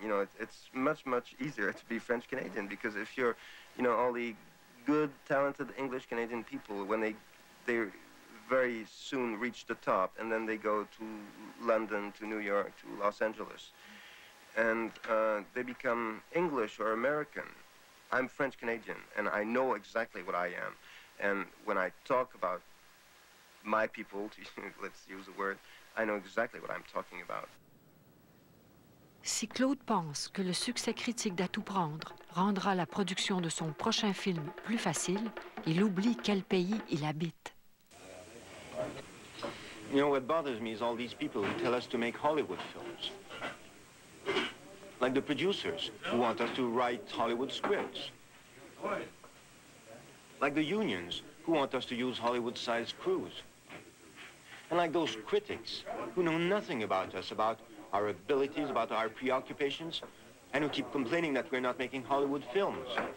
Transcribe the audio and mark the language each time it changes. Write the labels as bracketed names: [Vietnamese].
[English] You know, it's much, much easier to be French-Canadian because if you're, you know, all the good, talented English-Canadian people, when they very soon reach the top and then they go to London, to New York, to Los Angeles, and they become English or American. I'm French-Canadian and I know exactly what I am. And when I talk about my people, let's use the word, I know exactly what I'm talking about. [French] Si Claude pense que le succès critique d'À tout prendre rendra la production de son prochain film plus facile, il oublie quel pays il habite. [English] You know, what bothers me is all these people who tell us to make Hollywood films. Like the producers who want us to write Hollywood scripts. Like the unions who want us to use Hollywood-sized crews. And like those critics who know nothing about us, about our abilities, about our preoccupations, and who keep complaining that we're not making Hollywood films.